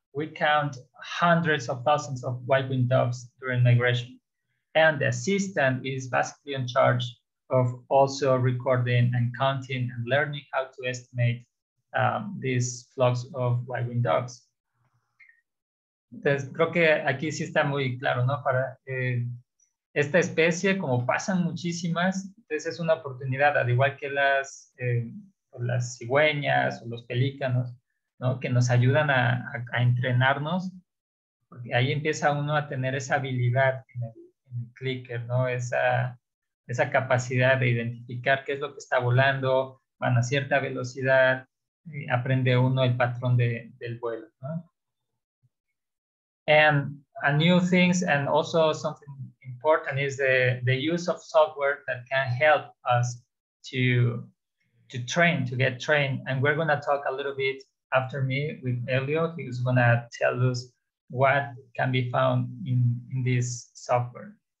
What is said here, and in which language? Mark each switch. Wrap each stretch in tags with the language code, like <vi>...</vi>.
<en>We count hundreds of thousands of white-winged doves during migration. And the assistant is basically in charge of also recording and counting and learning how to estimate these flocks of white-winged doves.</en> <es>Entonces, creo que aquí sí está muy claro, ¿no? Para esta especie, como pasan muchísimas, entonces es una oportunidad, al igual que las cigüeñas o los pelícanos, ¿no? Que nos ayudan a entrenarnos, porque ahí empieza uno a tener esa habilidad en el clicker, ¿no? Esa capacidad de identificar qué es lo que está volando, van a cierta velocidad, aprende uno el patrón del vuelo, ¿no?</es> <en>And a new things, and also something important is the use of software that can help us to get trained. And we're going to talk a little bit after me with Elio. He's going to tell us what can be found in this software.</en>